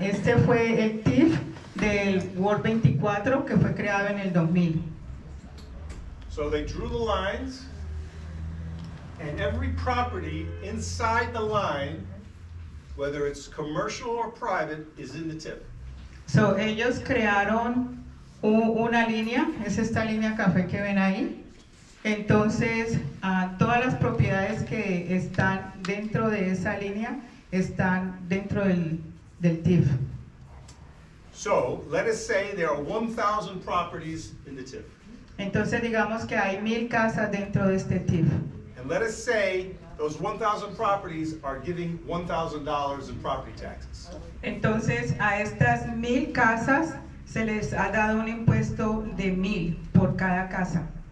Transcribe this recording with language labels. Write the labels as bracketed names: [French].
[Spanish] Este fue el TIF del Ward 24 que fue creado en el 2000. [English] So they drew the lines, and every property inside the line, whether it's commercial or private, is in the TIF. [Spanish] So ellos crearon una línea, es esta línea café que ven ahí. Entonces, todas las propiedades que están dentro de esa línea están dentro del TIF. [English] So, let us say there are 1,000 properties in the TIF. [Spanish] Entonces, digamos que hay 1,000 casas dentro de este TIF. [English] And let us say those 1,000 properties are giving $1,000 in property taxes. [Spanish] Entonces, a estas 1,000 casas se les ha dado un impuesto de 1,000 por cada casa.